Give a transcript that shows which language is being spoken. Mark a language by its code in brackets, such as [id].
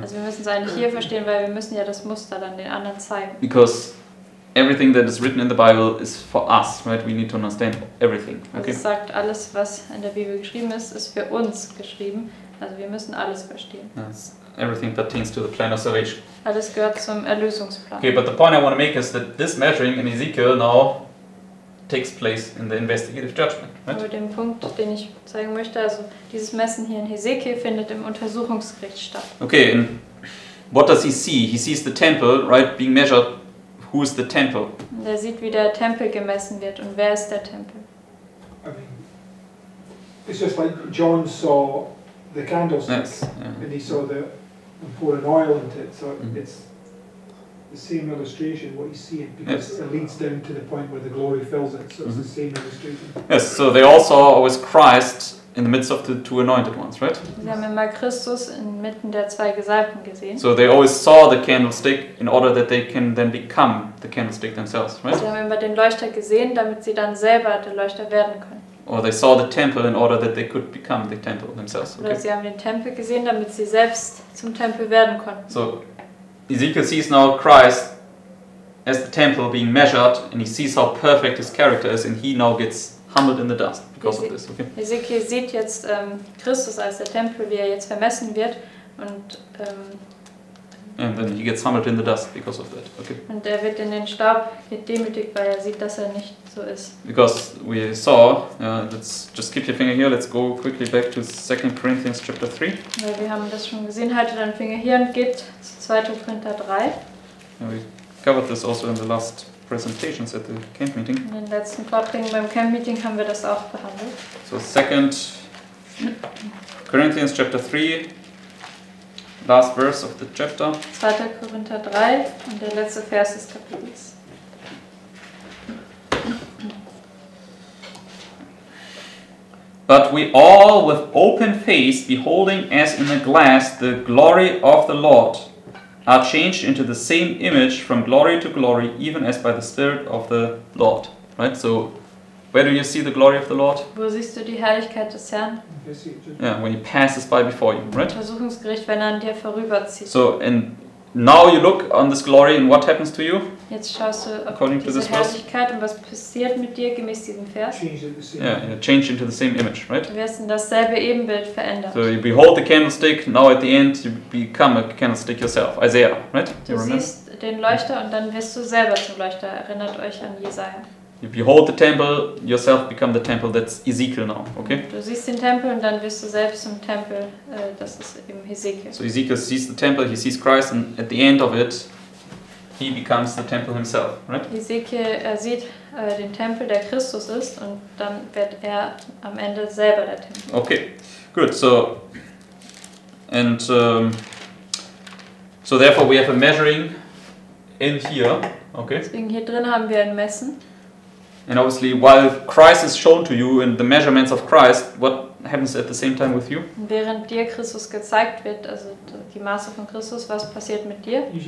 [de] Also wir müssen es eigentlich hier verstehen, weil wir müssen ja das Muster dann den anderen zeigen. [en] Because everything that is written in the Bible is for us, right? We need to understand everything. Okay. [de] Also es sagt, alles, was in der Bibel geschrieben ist, ist für uns geschrieben. Also wir müssen alles verstehen. [en] Yes. Everything pertains to the plan of salvation. [de] Alles gehört zum Erlösungsplan. [en] Okay, but the point I want to make is that this measuring in Ezekiel now takes place in the investigative judgment, right? [de] Aber den Punkt, den ich zeigen möchte, also dieses Messen hier in Ezekiel findet im Untersuchungsgericht statt. [en] Okay, and what does he see? He sees the temple, right, being measured. Who is the temple? [de] Und er sieht, wie der Tempel gemessen wird. Und wer ist der Tempel? [en] I mean, it's just like John saw the candlestick. Yes. And he saw the and poured an oil into it. So it's the same illustration, what you see it, because it leads down to the point where the glory fills it. So it's the same illustration. Yes, so they all saw always Christ in the midst of the two anointed ones, right? [de] Sie haben immer Christus inmitten der zwei Gesalbten gesehen. [en] So they always saw the candlestick in order that they can then become the candlestick themselves, right? [de] Sie haben immer den Leuchter gesehen, damit sie dann selber der Leuchter werden können. [en] Or they saw the temple in order that they could become the temple themselves. [de] Oder sie haben den Tempel gesehen, damit sie selbst zum Tempel werden konnten. [en] So Ezekiel sees now Christ as the temple being measured, and he sees how perfect his character is, and he now gets humbled in the dust because of this. Okay. [de] Ezekiel sieht jetzt Christus als der Tempel, wie er jetzt vermessen wird, und [en] and then he gets humbled in the dust because of that. Okay. [de] Und er wird in den Staub gedemütigt, weil er sieht, dass er nicht so ist. [en] Because we saw, let's just keep your finger here. Let's go quickly back to 2 Corinthians chapter 3. [de] Ja, wir haben das schon gesehen. Halte deinen Finger hier und geht zu 2. Korinther 3. [en] Yeah, we covered this also in the last presentations at the camp meeting. [de] In den letzten Vorträgen beim Camp Meeting haben wir das auch behandelt. [en] So 2 Corinthians chapter 3, last verse of the chapter. [de] 2. Korinther 3 und der letzte Vers des Kapitels. [en] But we all with open face beholding as in a glass the glory of the Lord are changed into the same image from glory to glory, even as by the Spirit of the Lord. Right? So, where do you see the glory of the Lord? [de] Wo siehst du die Herrlichkeit des Herrn? [en] Yeah, when he passes by before you, right? [de] Untersuchungsgericht, wenn er an dir vorüberzieht. [en] So, and now you look on this glory and what happens to you? [de] Jetzt schaust du auf diese Herrlichkeit und was passiert mit dir gemäß diesem Vers? [en] Change into the same image, right? [de] Du wirst in dasselbe Ebenbild verändert. [en] So you behold the candlestick, now at the end you become a candlestick yourself. Isaiah, right? [de] Du siehst den Leuchter und dann wirst du selber zum Leuchter. Erinnert euch an Jesaja. [en] You behold the temple, yourself become the temple, that's Ezekiel now, okay? [de] Du siehst den Tempel und dann wirst du selbst zum Tempel, das ist eben Ezekiel. [en] So Ezekiel sees the temple, he sees Christ, and at the end of it, he becomes the temple himself, right? [de] Ezekiel, er sieht den Tempel, der Christus ist, und dann wird er am Ende selber der Tempel. [en] Okay, good, so, and, so therefore we have a measuring in here, okay? [de] Deswegen hier drin haben wir ein Messen. [en] And obviously, while Christ is shown to you and the measurements of Christ, what happens at the same time with you? [de] Während dir Christus gezeigt wird, also die Maße von Christus, was passiert mit dir?